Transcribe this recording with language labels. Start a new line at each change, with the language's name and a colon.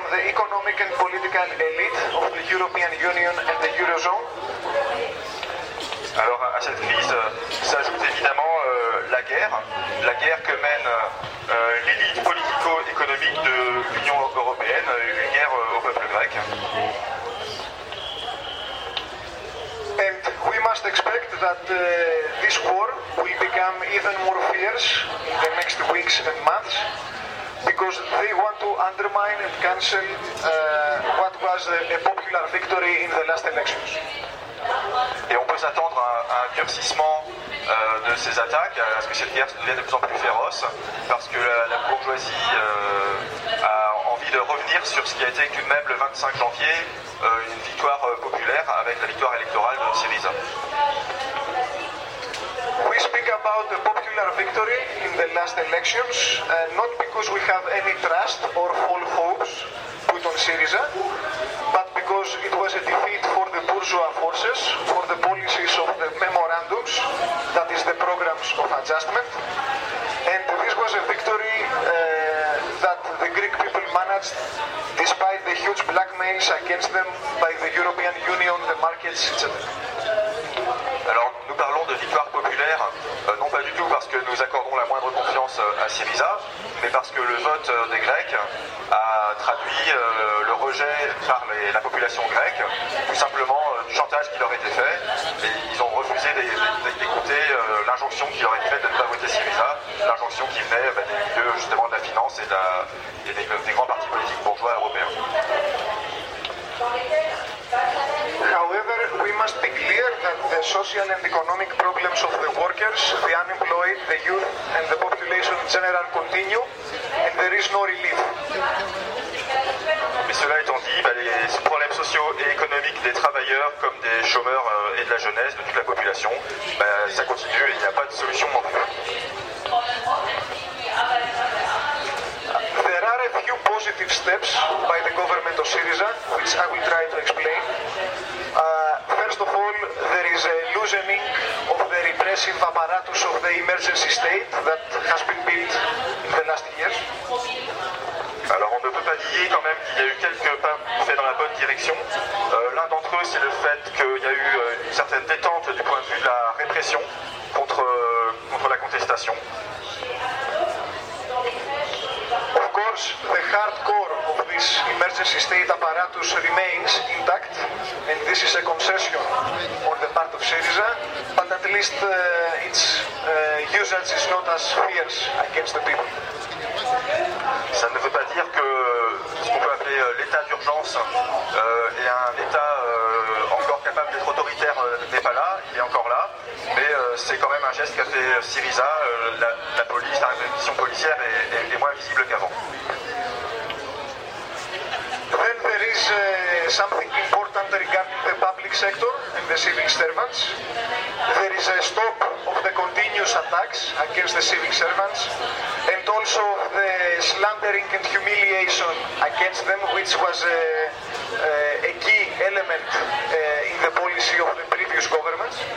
English: economic and political elite of the European Union and the Eurozone.
French: Alors à cette crise s'ajoute évidemment la guerre que mène l'élite politico-économique de l'Union européenne, une guerre au peuple grec.
English: And we must expect that this war will become even more fierce in the next weeks and months, because they want to undermine and cancel what was a popular victory in the last elections.
French: Et on peut s'attendre à un durcissement de ces attaques, à ce que cette guerre devienne de plus en plus féroce, parce que la bourgeoisie a envie de revenir sur ce qui a été tout de même le 25 janvier, une victoire populaire avec la victoire électorale de Syriza.
English: We speak about a popular victory in the last elections, not because we have any trust or full hopes put on Syriza, but because it was a defeat for the bourgeois forces, for the policies of the memorandums, that is the programs of adjustment. And this was a victory that the Greek people managed despite the huge blackmails against them by the European Union, the markets, etc.
French: Alors, nous parlons de victoire populaire, non pas du tout parce que nous accordons la moindre confiance à Syriza, mais parce que le vote des Grecs a traduit le rejet par la population grecque, tout simplement du chantage qui leur était fait, et ils ont refusé d'écouter l'injonction qui leur était faite de ne pas voter Syriza, l'injonction qui venait des milieux justement de la finance et, des grands partis politiques bourgeois européens.
English: However, we must be clear that the social and economic problems of the workers, the unemployed, the youth and the population in general continue, and there is no relief.
French: Mais cela étant dit, les problèmes sociaux et économiques des travailleurs comme des chômeurs et de la jeunesse, de toute la population, ça continue et il n'y a pas de solution non plus.
English: There are a few positive steps by the government of Syriza, which I will try to explain. First of all, there is a loosening of the repressive apparatus of the emergency state that has been built in the last years.
French: Alors on ne peut pas nier quand même qu'il y a eu quelques pas faits dans la bonne direction. L'un d'entre eux, c'est le fait qu'il y a eu une certaine détente du point de vue de la répression contre la contestation.
English: Of course, the hardcore of this emergency state apparatus remains intact, and this is a concession on the part of Syriza, but at least its usage is not as fierce against the people.
French: Ça ne veut pas dire que ce qu'on peut appeler l'état d'urgence est un état encore capable d'être autoritaire n'est pas là, il est encore là, mais c'est quand même un geste qu'a fait Syriza, la police, la répression policière est moins visible qu'avant.
English: Then there is something important regarding the public sector and the civil servants. There is a stop of the continuous attacks against the civil servants and also the slandering and humiliation against them, which was a key element in the policy of the previous governments.